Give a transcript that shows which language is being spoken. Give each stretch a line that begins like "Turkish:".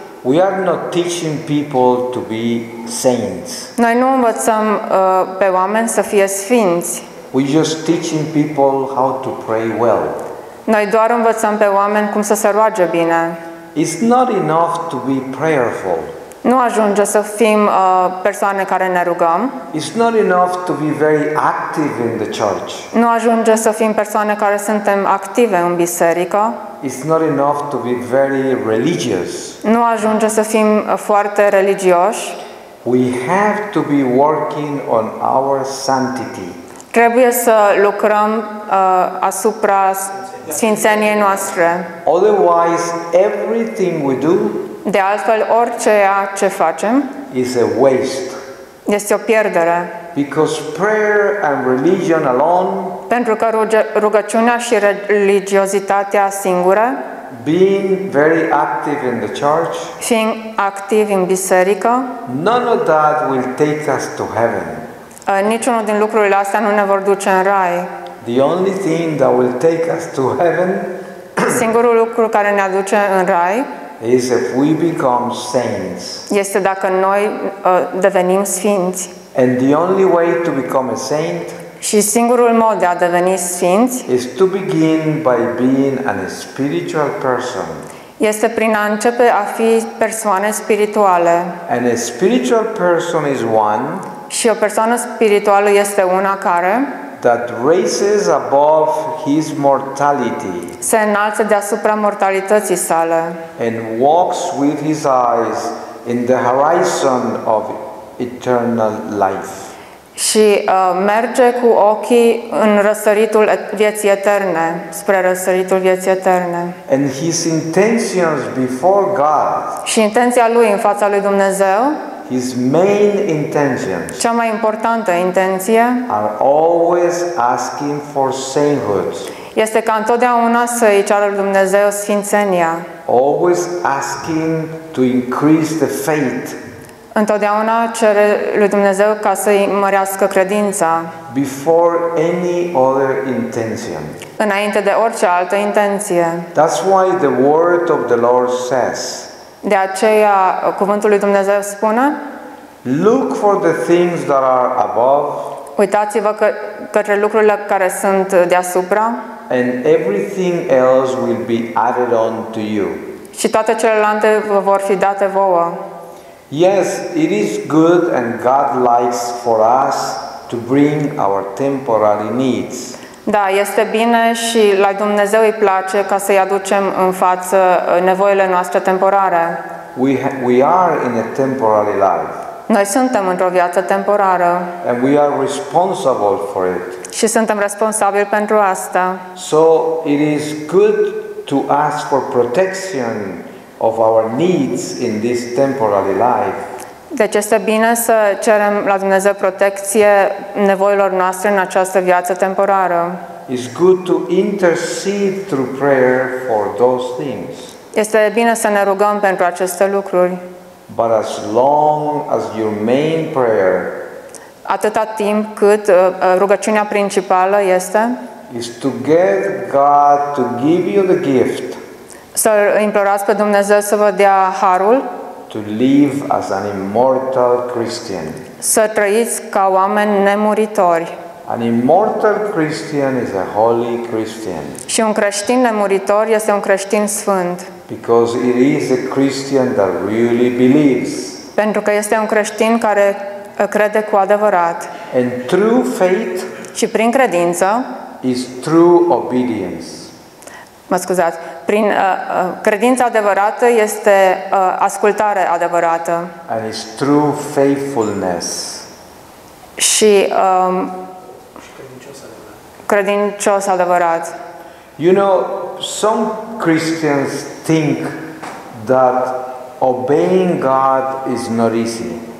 English: We are not teaching people to be saints.
Romanian: Noi nu învățăm pe oameni să fie sfinți.
English: We just teaching people how to pray well.
Romanian: Noi doar învățăm pe oameni cum să se roage bine.
English: It's not enough to be prayerful.
Romanian: Nu ajunge să fim persoane care ne rugăm.
English: It's not enough to be very active in the church.
Romanian: Nu ajunge să fim persoane care suntem active în biserică.
English: It's not enough to be very religious.
Romanian: Nu ajunge să fim foarte religioși.
English: We have to be working on our sanctity.
Romanian: Trebuie să lucrăm asupra sfințeniei noastre.
English: Otherwise, everything we do.
Romanian: De altfel, orice ce facem
English: is a waste.
Romanian: Este o pierdere.
English: Because prayer and religion alone.
Romanian: Pentru că rugăciunea și religiozitatea singură.
English: Being very active in the church.
Romanian: Fiind activ în biserică.
English: None of that will take us to heaven.
Romanian: Niciunul din lucrurile astea nu ne vor duce în rai.
English: The only thing that will take us to heaven.
Romanian: Singurul lucru care ne aduce în rai.
English: Is if we become saints.
Romanian: Este dacă noi devenim sfinți.
English: And the only way to become a saint.
Romanian: Și singurul mod de a deveni sfinți.
English: Is to begin by being a spiritual person.
Romanian: Este prin a începe a fi persoane spirituale.
English: And a spiritual person is one.
Romanian: Și o persoană spirituală este una care.
English: That raises above his mortality.
Romanian: Se înalță deasupra mortalității sale.
English: And walks with his eyes in the horizon of eternal life.
Romanian: Și merge cu ochii în răsăritul vieții eterne, spre răsăritul vieții eterne.
English: And his intentions before God.
Romanian: Și intenția lui în fața lui Dumnezeu.
English: His main intentions.
Romanian: Cea mai importantă intenție.
English: Are always asking for sainthood.
Romanian: Este ca întotdeauna să îi ceară Dumnezeu sfințenia.
English: Always asking to increase the faith.
Romanian: Întotdeauna cere lui Dumnezeu ca să îi mărească credința.
English: Before any other intention.
Romanian: Înainte de orice altă intenție.
English: That's why the word of the Lord says.
Romanian: De aceea cuvântul lui Dumnezeu spune:
English: Look for the things that are above.
Romanian: Uitați-vă către lucrurile care sunt deasupra.
English: And everything else will be added on to you.
Romanian: Și toate celelalte vă vor fi date vouă.
English: Yes, it is good and God likes for us to bring our temporary needs.
Romanian: Da, este bine și la Dumnezeu îi place ca să-i aducem în față nevoile noastre temporare.
English: we are in a temporary life.
Romanian: Noi suntem într-o viață temporară.
English: And we are responsible for it.
Romanian: Și suntem responsabili pentru asta.
English: So it is good to ask for protection of our needs in this temporary life.
Romanian: Deci este bine să cerem la Dumnezeu protecție nevoilor noastre în această viață temporară.
English: It's good to intercede through prayer for those things.
Romanian: Este bine să ne rugăm pentru aceste lucruri.
English: But as long as your main prayer,
Romanian: atâta timp cât rugăciunea principală este,
English: is to get God to give you the gift,
Romanian: să implorați pe Dumnezeu să vă dea harul,
English: to live as an immortal Christian,
Romanian: să trăiți ca oameni nemuritori.
English: An immortal Christian is a holy Christian.
Romanian: Și un creștin nemuritor este un creștin sfânt.
English: Because it is a Christian that really believes.
Romanian: Pentru că este un creștin care crede cu adevărat.
English: And true faith.
Romanian: Și prin credință.
English: Is true obedience.
Romanian: Mă scuzați. Prin credința adevărată este ascultare adevărată.
English: And is true faithfulness.
Romanian: Și credincios adevărat.
English: You know, some Christians think that obeying God is not easy.